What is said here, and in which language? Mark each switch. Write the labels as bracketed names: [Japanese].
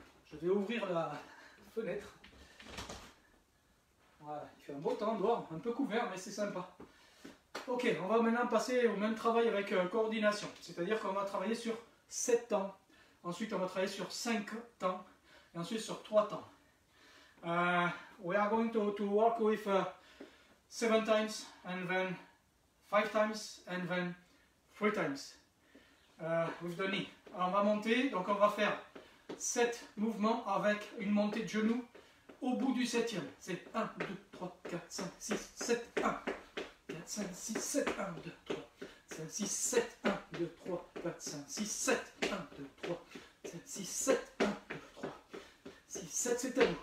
[French] Je vais ouvrir la fenêtre. Voilà, il fait un beau temps dehors, un peu couvert, mais c'est sympa. Ok, on va maintenant passer au même travail avec coordination. C'est-à-dire qu'on va travailler sur 7 temps, ensuite on va travailler sur 5 temps, et ensuite sur 3 temps. [English] We are going to work with 7 times, and then 5 times, and then 3 times, with the knee. [French] Alors on va monter, donc on va faire 7 mouvements avec une montée de genoux au bout du 7ème. C'est 1, 2, 3, 4, 5, 6, 7, 1, 4, 5, 6, 7, 1, 2, 3. 5, 6, 7, 1, 2, 3, 4, 5, 6, 7, 1, 2, 3, 7, 6, 7, 1, 2, 3, 6, 7, c'est à vous.